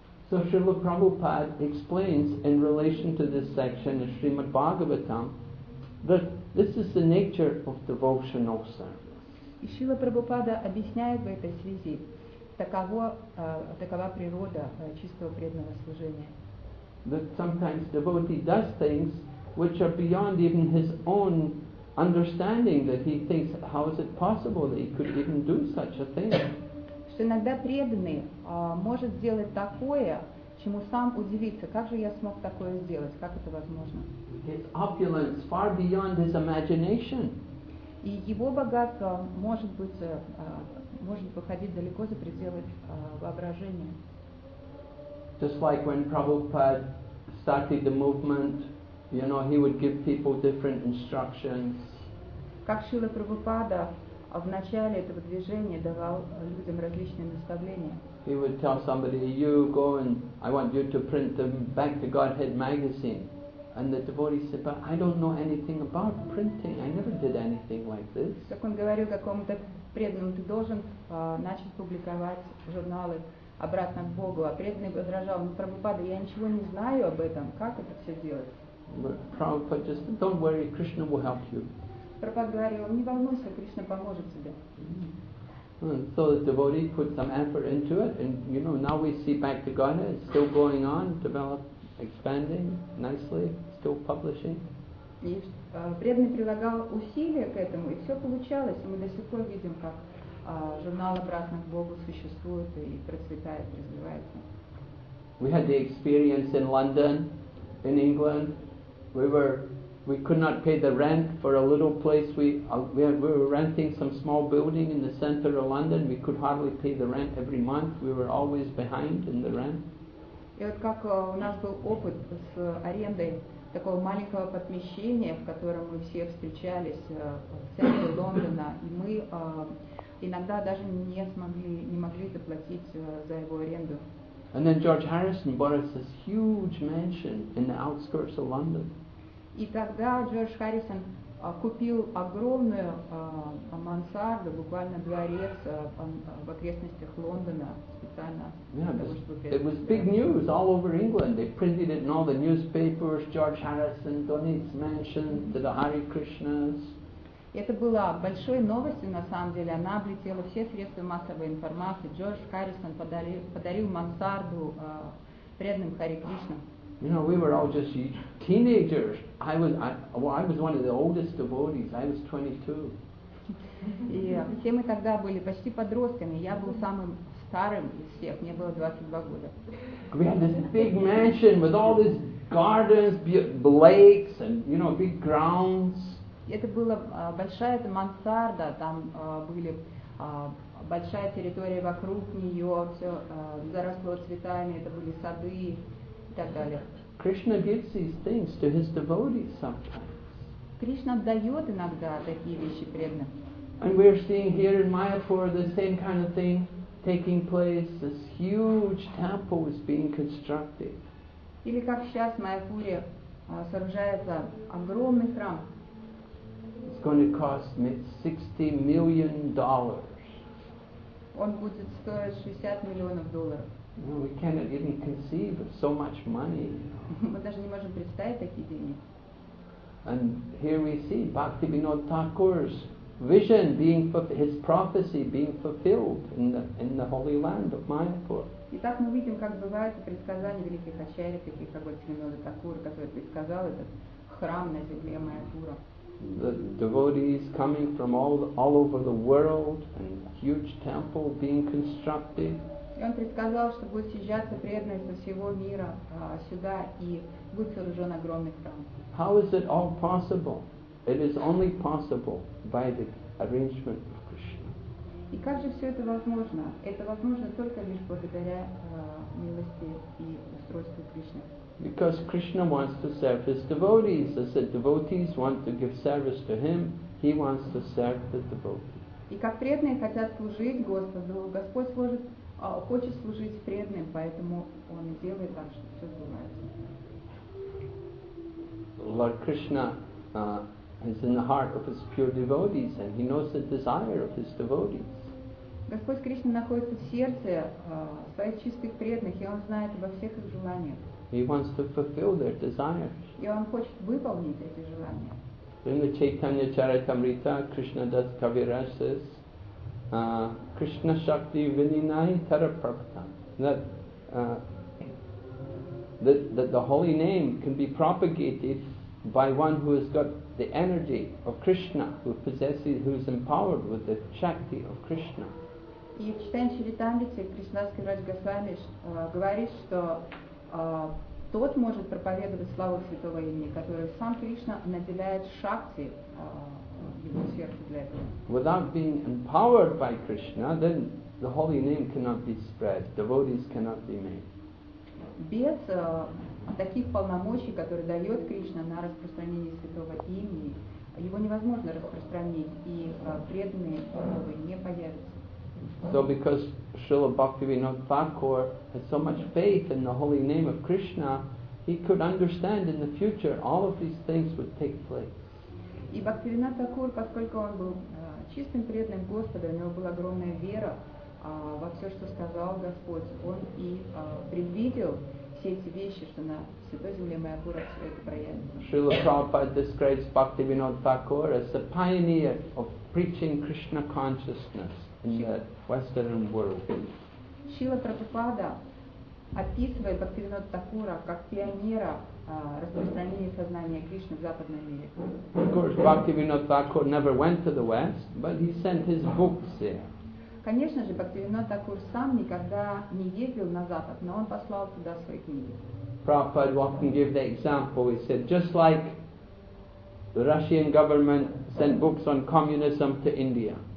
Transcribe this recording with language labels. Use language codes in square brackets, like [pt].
[en] So Srila Prabhupada explains in relation to this section in Srimad Bhagavatam that this is the nature of devotional service. [ru] И Шрила Прабхупада объясняет в этой связи, такова природа чистого преданного служения. [en] That sometimes devotee does things which are beyond even his own understanding, that he thinks, how is it possible that he could even do such a thing? [ru] Что иногда преданный может сделать такое, чему сам удивиться, как же я смог такое сделать, как это возможно? [en] His opulence far beyond his imagination. [ru] И его богатство может быть может выходить далеко за пределы воображения. [en] Just like when Prabhupada started the movement, you know, he would give people different instructions. [ru] Как Шрила Прабхупада в начале этого движения давал людям различные наставления. [en] He would tell somebody, you go and I want you to print them back to Godhead magazine. And the devotee said, but I don't know anything about printing. I never did anything like this. [ru] Как он говорил какому-то преданному, ты должен начать публиковать журналы обратно к Богу. А преданный возражал, ну, Прабхупада, я ничего не знаю об этом. Как это все делать? [en] Prabhupada just said, don't worry, Krishna will help you. [ru] Прабхупада говорил, не волнуйся, Кришна поможет тебе. [en] So the devotee put some effort into it, and you know, now we see back to Godhead, it's still going on, developed. Expanding nicely, still publishing. [ru] И преданный прилагал усилия к этому, и все получалось. Мы до сих пор видим, как журнал «Обратно к Богу» существует и процветает, развивается. [en] We had the experience in London, in England. We could not pay the rent for a little place. We were renting some small building in the center of London. We could hardly pay the rent every month. We were always behind in the rent. [ru] И вот как у нас был опыт с арендой такого маленького помещения, в котором мы все встречались в центре Лондона, и мы иногда даже не могли заплатить за его аренду. [en] And then George Harrison bought us this huge mansion in the outskirts of London. [ru] И тогда Джордж Харрисон купил огромную мансарду, буквально дворец в окрестностях Лондона. [en] Yeah, it was big news all over England. They printed it in all the newspapers. George Harrison donates mansion to the Hare Krishnas. [ru] Это была большой новостью на самом деле. Она облетела все средства массовой информации. Джордж Харрисон подарил мансарду преданным Харе Кришна. [en] You know, we were all just teenagers. I was one of the oldest devotees. I was 22. [ru] И все мы тогда были почти подростками. Я был самым старым из всех, мне было 22 года. [en] We had this big mansion with all these gardens, lakes and, you know, big grounds. [ru] Это была большая мансарда, там были большая территория вокруг нее, все заросло цветами, это были сады и так далее. [en] Krishna gives these things to his devotees sometimes. [ru] Кришна дает иногда такие вещи преданным. [en] And we're seeing here in Mayapur the same kind of thing taking place. This huge temple is being constructed. [ru] Или как сейчас в Майяпуре сооружается огромный храм. [en] It's going to cost $60 million. [ru] Он будет стоить 60 миллионов долларов. [en] No, we cannot even conceive of so much money. [ru] Мы даже не можем представить такие деньги. [en] And here we see Bhaktivinoda Thakur's vision being his prophecy being fulfilled in the holy land of Mayapur. [ru] И так мы видим, как бывает предсказание великих ачарьев, таких как Бхактивинода Такура, который предсказал этот храм на земле Майяпура. [en] The devotees coming from all over the world and huge temple being constructed. [ru] И он предсказал, что будет съезжаться преданные со всего мира сюда и будет сооружен огромный храм. [en] How is it all possible? It is only possible by the arrangement of Krishna. [ru] И как же все это возможно? Это возможно только лишь благодаря милости и устройства Кришны. [en] Because Krishna wants to serve his devotees. As the devotees want to give service to him, he wants to serve the devotees. [ru] И как преданные хотят служить Господу, Господь служит, хочет служить преданным, поэтому он и делает так, что все сбывается. [en] Lord Krishna is in the heart of his pure devotees, and he knows the desire of his devotees. [ru] Господь Кришна находится в сердце своих чистых преданных, и он знает обо всех их желаниях. [en] He wants to fulfill their desires. [ru] И он хочет выполнить эти желания. [en] In the Chaitanya Charitamrita, Krishna Das Kaviraj says, Krishna Shakti Vininai Taraprapatam. That the holy name can be propagated by one who has got the energy of Krishna, who is empowered with the Shakti of Krishna. [ru] И в Chaitanya Charitamrita Krishna Das Kaviraj Goswami говорит, что тот может проповедовать славу святого имени, которое сам Кришна наделяет шакти его сердце для этого. [en] Without being empowered by Krishna, then the holy name cannot be spread. Devotees cannot be made. [ru] Без таких полномочий, которые дает Кришна на распространение святого имени, его невозможно распространить, и преданные новые не появятся. [en] So because Srila Bhaktivinoda Thakur has so much faith in the holy name of Krishna, he could understand in the future all of these things would take place. [ru] И Бхактивинода Такур, поскольку он был чистым преданным Господа, у него была огромная вера во все, что сказал Господь, он и предвидел все эти вещи, что на Святой Земле Майапура все это проявится. [en] Srila Prabhupada describes Bhaktivinoda Thakur as the pioneer of preaching Krishna consciousness in the Western world. [ru] Шрила Прабхупада описывает Бхактивинода Такура как пионера распространения сознания Кришны в Западном мире. [en] Of course, Бхактивинода Такур never went to the West, but he sent his books there. [ru] Конечно же, Бхактивинода Такур сам никогда не ездил на Запад, но он послал туда свои книги. [en] Prabhupada often gave the example. He said, just like the Russian government sent books on communism to India.